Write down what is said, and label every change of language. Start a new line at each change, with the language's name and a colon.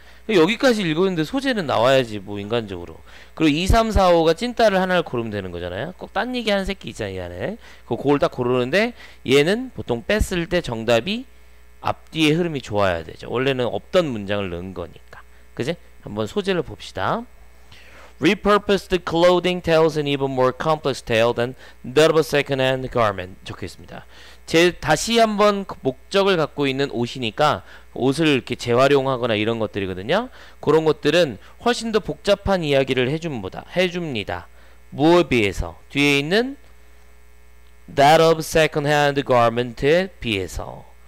Korean: 여기까지 읽었는데 소재는 나와야지 뭐 인간적으로. 그리고 2, 3, 4, 5가 찐따를 하나를 고르면 되는 거잖아요. 꼭 딴 얘기하는 새끼 있잖아 이 안에. 그걸 딱 고르는데 얘는 보통 뺐을 때 정답이 앞뒤의 흐름이 좋아야 되죠. 원래는 없던 문장을 넣은 거니까. 그지? 한번 소재를 봅시다.
English: Repurposed clothing tells an even more complex tale than that of a second-hand garment.
Korean: 적혀있습니다. 다시 한번 목적을 갖고 있는 옷이니까 옷을 이렇게 재활용하거나 이런 것들이거든요. 그런 것들은 훨씬 더 복잡한 이야기를 해줍니다. 무엇에 비해서? 뒤에 있는
English: that of second-hand garment
Korean: 에 비해서.